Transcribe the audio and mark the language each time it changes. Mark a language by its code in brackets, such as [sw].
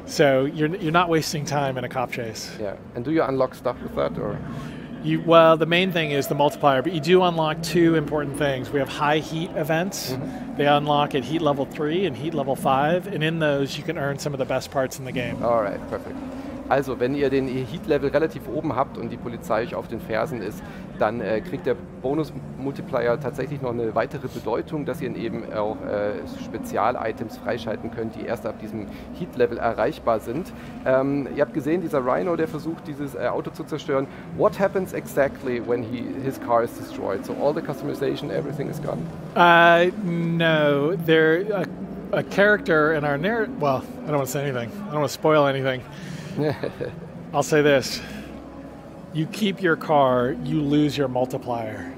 [en] So you're not wasting time in a cop chase. Yeah. And do you unlock stuff with that? Or? Well, the main thing is the multiplier, but you do unlock two important things. We have high heat events. They unlock at heat level 3 and heat level 5. And in those, you can earn some of the best parts in the game. All right, perfect. [de] Also, wenn ihr den Heat-Level relativ oben habt und die Polizei euch auf den Fersen ist, dann kriegt der Bonus-Multiplier tatsächlich noch eine weitere Bedeutung, dass ihr eben auch Spezial-Items freischalten könnt, die erst ab diesem Heat-Level erreichbar sind. Ihr habt gesehen, dieser Rhino, der versucht, dieses Auto zu zerstören. [en] What happens exactly when his car is destroyed? So all the customization, everything is gone? No, there a character in our narrative... Well, I don't want to say anything. I don't want to spoil anything. I'll say this. You keep your car, you lose your multiplier.